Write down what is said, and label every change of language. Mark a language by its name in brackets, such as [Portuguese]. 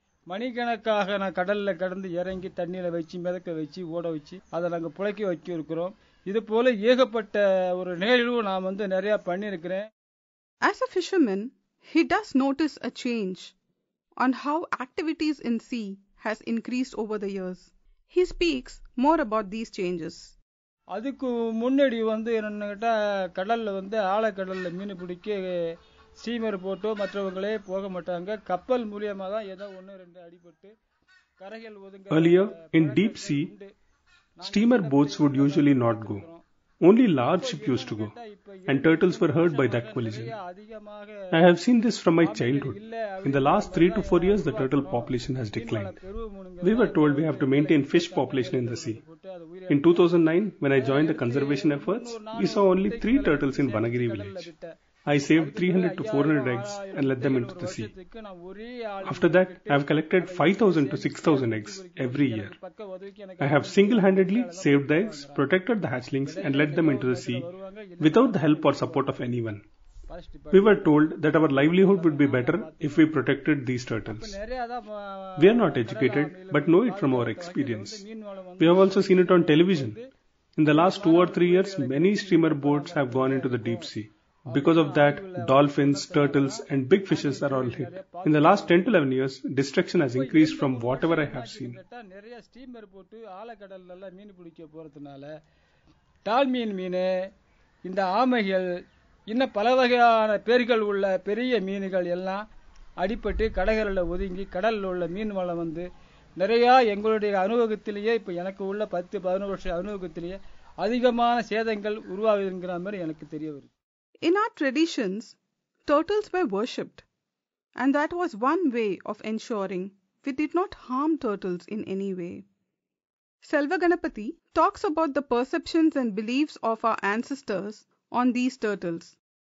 [Tamil] மணிக்கணக்காக நான் கடல்ல கடந்து இறங்கி தண்ணியில வச்சு மிதக்க வச்சு ஓட வச்சு அதை நாங்கள் புழக்கி வச்சிருக்கிறோம். இது போல ஏகப்பட்ட ஒரு நிகழ்வு நான் வந்து நிறைய பண்ணிருக்கிறேன். [English] As a fisherman, he does notice a change on how activities in sea has increased over the years. He speaks more about these changes. [Tamil] அதுக்கு முன்னாடி வந்து என்னன்னு கேட்டால் கடல்ல வந்து ஆழக்கடல்ல மீன் பிடிக்க ஸ்டீமர் போட்டோ மற்றவங்களே போக மாட்டாங்க கப்பல் மூலியமா தான் ஏதோ ஒன்று ரெண்டு அடிபட்டு கரைகள் ஒதுங்க [English] Earlier, in deep sea, steamer boats would usually not go. Only large ship used to go, and turtles were hurt by that collision. I have seen this from my childhood. In the last 3 to 4 years, the turtle population has declined. We were told we have to maintain fish population in the sea. In 2009, when I joined the conservation efforts, we saw only 3 turtles in Vanagiri village. I saved 300 to 400 eggs and let them into the sea. After that, I have collected 5,000 to 6,000 eggs every year. I have single-handedly saved the eggs, protected the hatchlings and let them into the sea without the help or support of anyone. We were told that our livelihood would be better if we protected these turtles. We are not educated but know it from our experience. We have also seen it on television. In the last 2 or 3 years, many steamer boats have gone into the deep sea. Because of that, dolphins, turtles and big fishes are all hit. In the last 10 to 11 years, destruction has increased from whatever I have seen. [Tamil] நிறைய steamer போட்டு ஆழக்கடல்ல மீன் பிடிக்க போறதுனால டால்மீன் மீன் இந்த ஆமைகள் இன்னும் பல வகையான பேர்கள் உள்ள பெரிய மீன்கள் எல்லாம் அடிபட்டு கடகரில் ஒதுங்கி கடலில் உள்ள மீன் வளம் வந்து நிறையா எங்களுடைய அனுபவத்திலேயே இப்போ எனக்கு உள்ள 10-11 வருஷ அனுபவத்திலேயே அதிகமான சேதங்கள் உருவாகுதுங்கிற மாதிரி எனக்கு தெரிய வருது. [English] In our traditions, turtles were worshipped, and that was one way of ensuring we did not harm turtles in any way. Selva Ganapati talks about the perceptions and beliefs of our ancestors on these turtles.